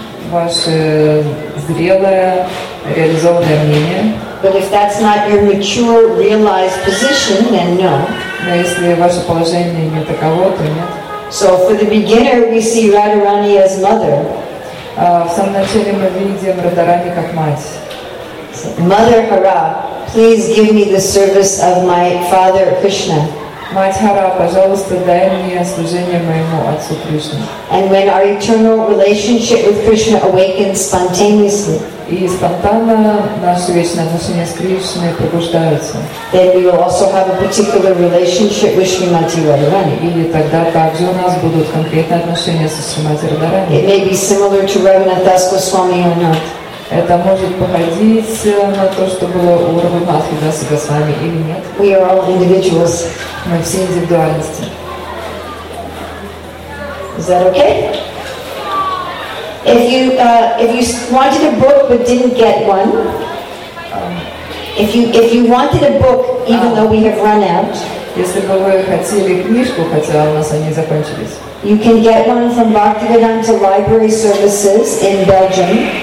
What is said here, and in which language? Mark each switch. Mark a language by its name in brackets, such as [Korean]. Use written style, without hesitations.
[Russian] Ваше зрелое, реализованное мнение. [English] But if that's not your mature, realized position, then no. [Russian] Но если ваше положение не таково, то нет. [English] So for the beginner, we see Radharani as mother. [Russian] В самом начале мы видим Радхарани как мать. [English] Mother Hara, please give me the service of my father Krishna. [Russian] Мать Хара, пожалуйста, дай мне служение моему отцу Кришне. [English] And when our eternal relationship with Krishna awakens spontaneously, [Russian] и спонтанно наши вечные отношения с Кришной пробуждаются, [English] then we will also have a particular relationship with Srimati Radharani. [Russian] И тогда также у нас будут конкретные отношения со Шримати Радхарани. [English] It may be similar to Raghunath Das Goswami or not. [Russian] Это может походить на то, что было у Рагхунатхи Даса Госвами или нет. [English] We are all individuals. [Russian] Мы все индивидуальности. [English] Is that okay? If you wanted a book but didn't get one, if you wanted a book even though we have run out, [Russian] Если бы вы хотели книжку, хотя у нас они закончились. [English] You can get one from Bhaktivedanta Library Services in Belgium.